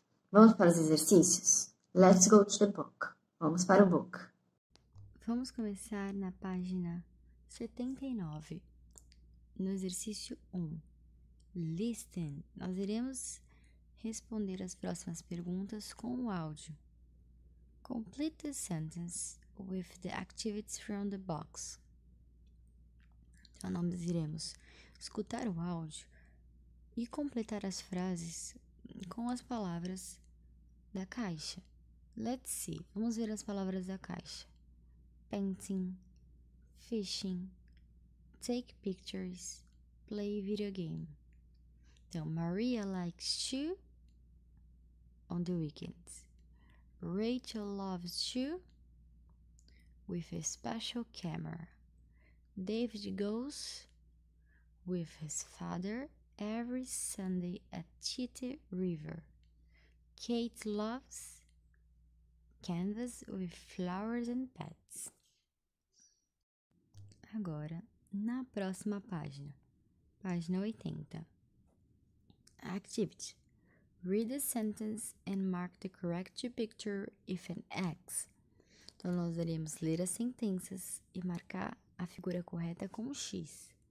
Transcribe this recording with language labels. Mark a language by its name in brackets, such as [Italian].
[Portuguese] Vamos para os exercícios? [English] Let's go to the book. [Portuguese] Vamos para o book. Vamos começar na página 79, no exercício 1. [English] Listen. [Portuguese] Nós iremos responder as próximas perguntas com o áudio. [English] Complete the sentence with the activities from the box. [Portuguese] Então, nós iremos escutar o áudio e completar as frases com as palavras da caixa. [English] Let's see. [Portuguese] Vamos ver as palavras da caixa. [English] Painting, fishing, take pictures, play video game. Então, Maria likes to on the weekends. Rachel loves to with a special camera. David goes with his father every Sunday at Chitty River. Kate loves canvas with flowers and pets. [Portuguese] Agora, na próxima página, página 80. Activity. [English] Read the sentence and mark the correct picture if an X. [Portuguese] Então, nós iremos ler as sentenças e marcar a figura correta com X.